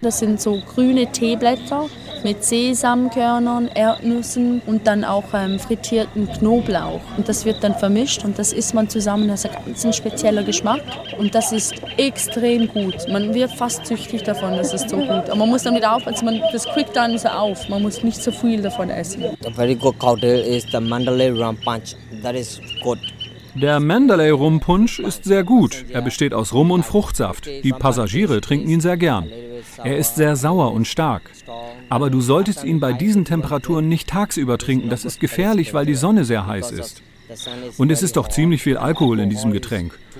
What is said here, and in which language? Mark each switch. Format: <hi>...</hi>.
<de>Das sind so grüne Teeblätter mit Sesamkörnern, Erdnüssen und dann auch frittierten Knoblauch. Und das wird dann vermischt und das isst man zusammen. Das ist ein ganz spezieller Geschmack und das ist extrem gut. Man wird fast süchtig davon, das ist so gut. Aber man muss dann wieder auf, also man, das kriegt dann so auf. Man muss nicht so viel davon essen.</de> <en>A very good cocktail is the Mandalay Rum Punch. That is good.</en> <de>Der Mandalay-Rumpunsch ist sehr gut. Er besteht aus Rum und Fruchtsaft. Die Passagiere trinken ihn sehr gern. Er ist sehr sauer und stark. Aber du solltest ihn bei diesen Temperaturen nicht tagsüber trinken. Das ist gefährlich, weil die Sonne sehr heiß ist. Und es ist doch ziemlich viel Alkohol in diesem Getränk.</de>